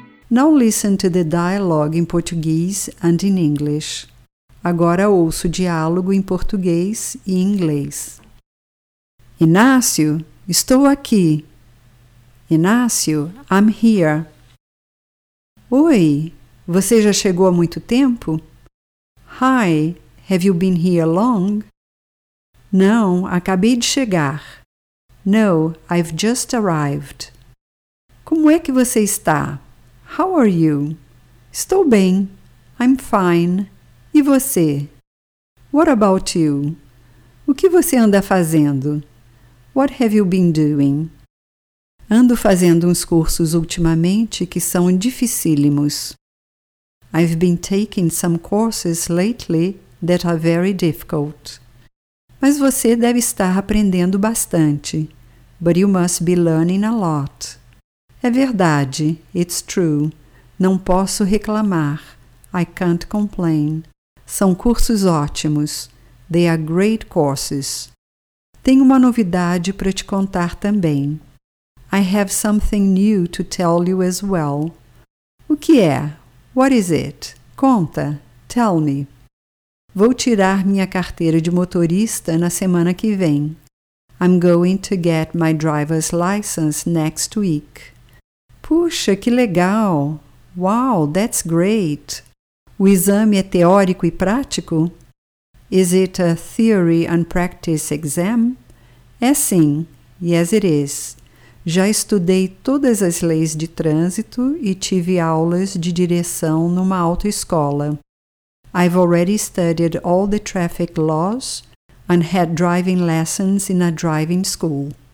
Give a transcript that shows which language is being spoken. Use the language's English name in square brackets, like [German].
[English] Now listen to the dialogue in Portuguese and in English. [Portuguese] Agora ouça o diálogo em português e inglês. Inácio, estou aqui. Inácio, [English] I'm here. [Portuguese] Oi, você já chegou há muito tempo? [English] Hi, have you been here long? [Portuguese] Não, acabei de chegar. [English] No, I've just arrived. [Portuguese] Como é que você está? [English] How are you? [Portuguese] Estou bem. [English] I'm fine. [Portuguese] E você? [English] What about you? [Portuguese] O que você anda fazendo? [English] What have you been doing? [Portuguese] Ando fazendo uns cursos ultimamente que são dificílimos. [English] I've been taking some courses lately that are very difficult. [Portuguese] Mas você deve estar aprendendo bastante. [English] But you must be learning a lot. [Portuguese] É verdade, [English] it's true. [Portuguese] Não posso reclamar. [English] I can't complain. [Portuguese] São cursos ótimos. [English] They are great courses. [Portuguese] Tenho uma novidade para te contar também. [English] I have something new to tell you as well. [Portuguese] O que é? [English] What is it? [Portuguese] Conta. [English] Tell me. [Portuguese] Vou tirar minha carteira de motorista na semana que vem. [English] I'm going to get my driver's license next week. [Portuguese] Puxa, que legal! [English] Wow, that's great! [Portuguese] O exame é teórico e prático? [English] Is it a theory and practice exam? [Portuguese] É sim. [English] Yes, it is. [Portuguese] Já estudei todas as leis de trânsito e tive aulas de direção numa autoescola. [English] I've already studied all the traffic laws and had driving lessons in a driving school.